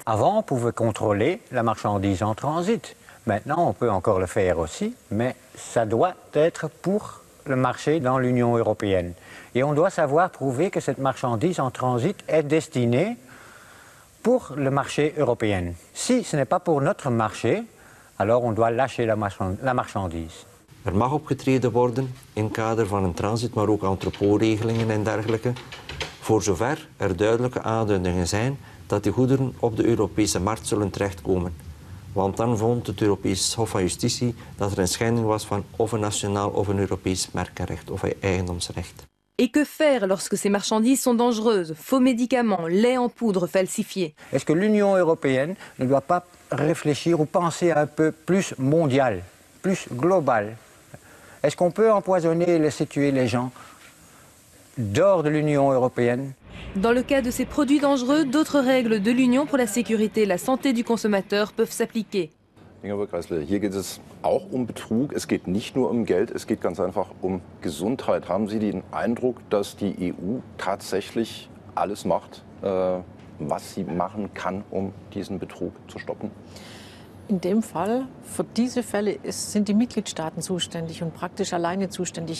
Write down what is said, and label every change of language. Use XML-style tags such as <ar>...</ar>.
<fr>Avant, on pouvait contrôler la marchandise en transit. Maintenant, on peut encore le faire aussi, mais ça doit être pour le marché dans l'Union européenne. Et on doit savoir prouver que cette marchandise en transit est destinée pour le marché européen. Si ce n'est pas pour notre marché, alors on doit lâcher la marchandise.</fr> <nl>Er mag opgetreden worden in het kader van een transit, maar ook entrepotregelingen en dergelijke. Voor zover er duidelijke aanduidingen zijn dat die goederen op de Europese markt zullen terechtkomen. Want dan vond het Europees Hof van Justitie dat er een schending was van of een nationaal of een Europees merkenrecht of eigendomsrecht.</nl> <fr>Et que faire lorsque ces marchandises sont dangereuses, faux médicaments, lait en poudre falsifié? Est-ce que l'Union européenne ne doit pas réfléchir ou penser un peu plus mondial, plus global? Est-ce qu'on peut empoisonner et laisser tuer les gens dehors de l'Union européenne? Dans le cas de ces produits dangereux, d'autres règles de l'Union pour la sécurité et la santé du consommateur peuvent s'appliquer.</fr> <de>Ingeborg Kreisler, hier geht es auch um Betrug. Es geht nicht nur um Geld, es geht ganz einfach um Gesundheit. Haben Sie den Eindruck, dass die EU tatsächlich alles macht, was sie machen kann, um diesen Betrug zu stoppen? In dem Fall, für diese Fälle, sind die Mitgliedstaaten zuständig und praktisch alleine zuständig.</de>